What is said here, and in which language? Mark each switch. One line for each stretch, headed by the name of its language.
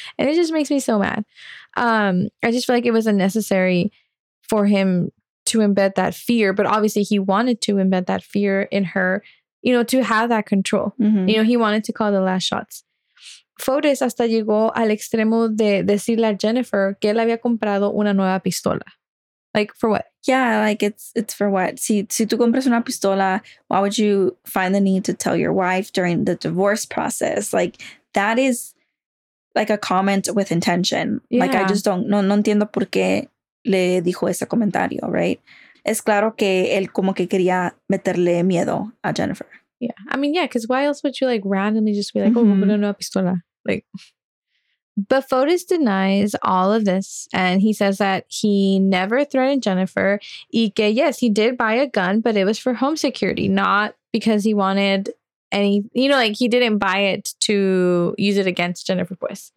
English: And it just makes me so mad. I just feel like it was unnecessary for him to embed that fear, but obviously he wanted to embed that fear in her, you know, to have that control. Mm-hmm. You know, he wanted to call the last shots.
Spanish: Fotis hasta llegó al extremo de decirle a Jennifer que él había comprado una nueva pistola.
English: Like, for what? Yeah, like, it's for what?
Spanish: Si tú compras una pistola,
English: why would you find the need to tell your wife during the divorce process? Like, that is like a comment with intention. Yeah. Like, I just don't,
Spanish: no entiendo por qué le dijo ese comentario,
English: right?
Spanish: Es claro que él como que quería meterle miedo a Jennifer.
English: Yeah, I mean, yeah, because why else would you like randomly just be like, mm-hmm. oh,
Spanish: una pistola?
English: Like, but Fotis denies all of this and he says that he never threatened Jennifer.
Spanish: Y que,
English: yes, he did buy a gun, but it was for home security, not because he wanted any, you know, like he didn't buy it to use it against Jennifer
Spanish: Pues.